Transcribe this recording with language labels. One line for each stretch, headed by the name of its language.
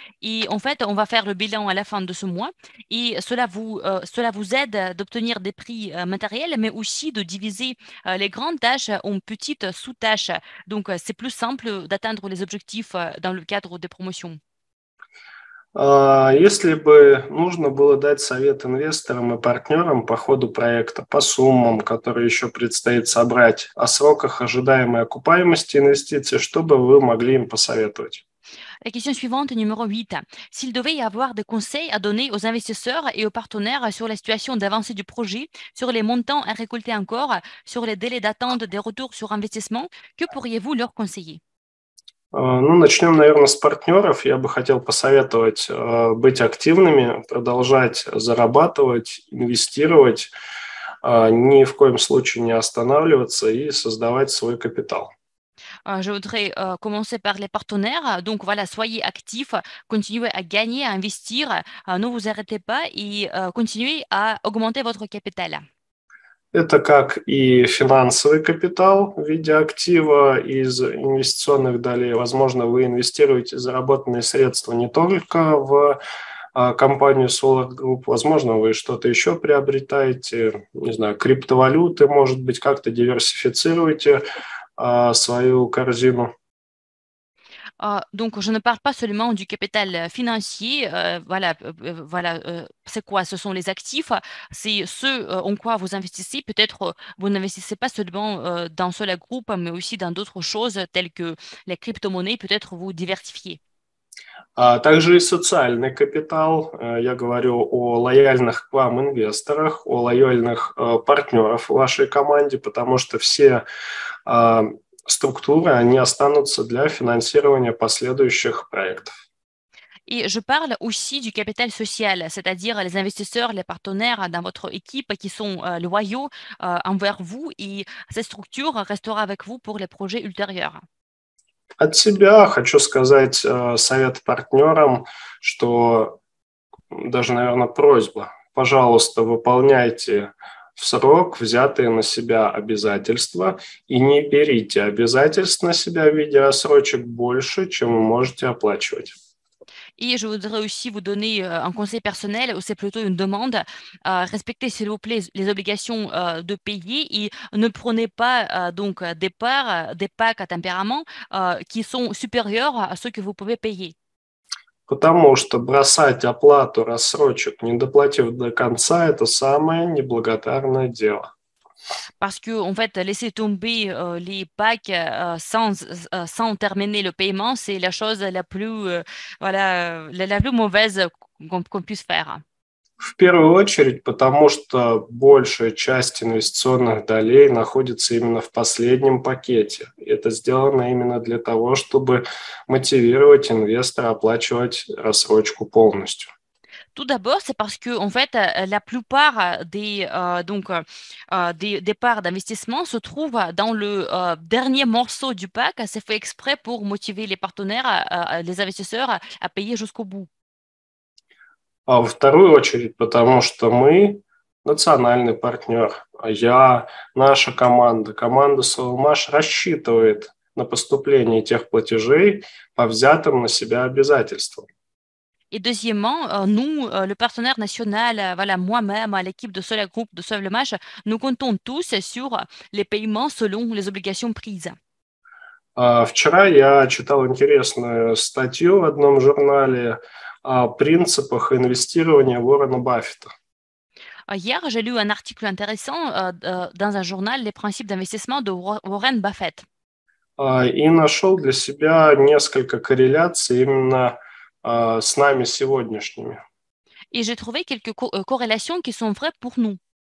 French: Et en fait, on va faire le bilan à la fin de ce mois et cela vous aide d'obtenir des prix matériels, mais aussi de diviser les grandes tâches en petites sous-tâches. Donc, c'est plus simple d'atteindre les objectifs dans le cadre des promotions.
Russian: Если бы нужно было дать совет инвесторам и партнерам по ходу проекта, по суммам, которые еще предстоит собрать, о сроках ожидаемой окупаемости инвестиций, что бы вы могли им посоветовать?
French: La question suivante, numéro 8. S'il devait y avoir des conseils à donner aux investisseurs et aux partenaires sur la situation d'avancée du projet, sur les montants à récolter encore, sur les délais d'attente des retours sur investissement, que pourriez-vous leur conseiller?
Russian: Начнем, наверное, с партнеров. Я бы хотел посоветовать быть активными, продолжать зарабатывать, инвестировать, ни в коем случае не останавливаться и создавать свой капитал.
French: Je voudrais commencer par les partenaires. Donc voilà, soyez actifs, continuez à gagner, à investir, ne vous arrêtez pas et continuez à augmenter votre capital.
Russian: Это как и финансовый капитал в виде актива из инвестиционных долей. Возможно, вы инвестируете заработанные средства не только в компанию Solar Group. Возможно, вы что-то еще приобретаете, не знаю, криптовалюты, может быть, как-то диверсифицируете свою корзину.
French: Donc, je ne parle pas seulement du capital financier. Voilà, voilà, c'est quoi? Ce sont les actifs. C'est ce en quoi vous investissez. Peut-être vous n'investissez pas seulement dans ce groupe, mais aussi dans d'autres choses telles que les crypto-monnaies. Peut-être vous diversifiez.
Russian: Также и социальный капитал. Я говорю о лояльных к вам инвесторах, о лояльных партнеров в вашей команде, потому что все структуры, они останутся для финансирования последующих проектов.
French: И je parle aussi du capital social, c'est-à-dire les investisseurs, les partenaires dans votre équipe qui sont loyaux envers vous et cette structure restera avec vous pour les projets ultérieurs.
Russian: От себя хочу сказать совет партнерам, что даже, наверное, просьба. Пожалуйста, выполняйте в срок взятые на себя обязательства и не берите обязательств на себя в виде рассрочек больше, чем вы можете оплачивать.
French: Et je voudrais aussi vous donner un conseil personnel, ou c'est plutôt une demande. Respectez, s'il vous plaît, les obligations de payer et ne prenez pas donc des parts, des packs à tempérament qui sont supérieurs à ceux que vous pouvez payer.
Russian: Потому что бросать оплату рассрочек, не доплатив до конца, это самое неблагодарное дело.
French: Parce que, en fait, laisser tomber les packs sans terminer le paiement, c'est la chose la plus, voilà, la plus mauvaise qu'on puisse faire.
Russian: В первую очередь, потому что большая часть инвестиционных долей находится именно в последнем пакете. Это сделано именно для того, чтобы мотивировать инвестора оплачивать рассрочку полностью.
French: Tout d'abord, c'est parce que en fait, la plupart des parts d'investissement se trouvent dans le dernier morceau du pack. C'est fait exprès pour motiver les partenaires, les investisseurs à payer jusqu'au bout.
Russian: А во вторую очередь, потому что мы национальный партнер. А я, наша команда, команда Совмаш рассчитывает на поступление тех платежей по взятым на себя обязательствам.
French: Et deuxièmement, nous, le partenaire national, voilà, moi-même, l'équipe de Solar Group, de Solvlemash, nous comptons tous sur les paiements selon les obligations prises.
Russian: Вчера я читал интересную статью в одном журнале о принципах инвестирования Уоррена Баффета.
French: Hier, j'ai lu un article intéressant dans un journal, Les principes d'investissement de Warren Buffett.
Russian: И нашел для себя несколько корреляций именно с нами сегодняшними.
French: Et j'ai trouvé quelques corrélations qui sont vraies pour nous.